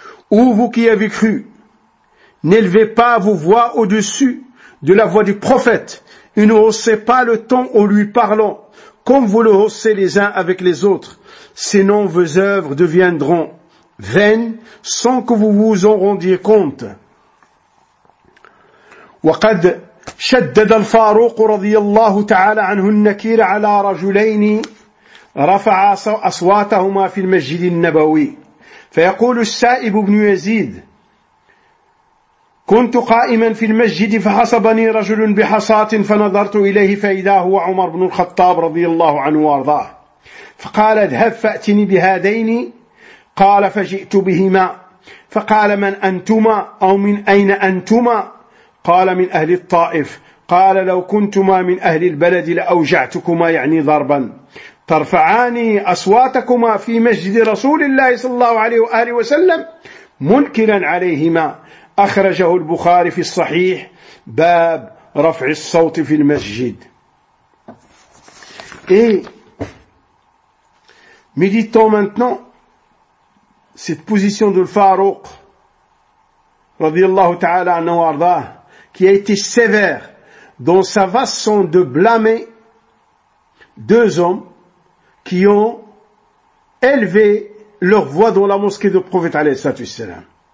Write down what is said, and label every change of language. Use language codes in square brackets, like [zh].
[fr] Ou vous qui avez cru, n'élevez pas vos voix au-dessus de la voix du prophète. Il ne haussait pas le ton en lui parlant, comme vous le haussez les uns avec les autres. Sinon, vos œuvres deviendront vaines sans que vous vous en rendiez compte. [ar] وقد شدد الفاروق رضي الله تعالى عنه النكير على رجلين رفع أصواتهما في المسجد النبوي. فيقول السائب بن يزيد كنت قائما في المسجد فحصبني رجل بحصاة فنظرت إليه فإذا هو عمر بن الخطاب رضي الله عنه وارضاه فقال اذهب فأتني بهذين قال فجئت بهما فقال من أنتما أو من أين أنتما قال من أهل الطائف قال لو كنتما من أهل البلد لأوجعتكما يعني ضربا ترفعاني أصواتكما في مسجد رسول الله صلى الله عليه وآله وسلم منكرا عليهما أخرجه البخاري في الصحيح باب رفع الصوت في المسجد. [fr] Et méditons maintenant cette position de Farouq [ar] رضي الله تعالى عنه وارضاه [fr] qui a été sévère dans sa façon de blâmer deux hommes qui ont élevé leur voix dans la mosquée du prophète [ar] عليه الصلاة والسلام.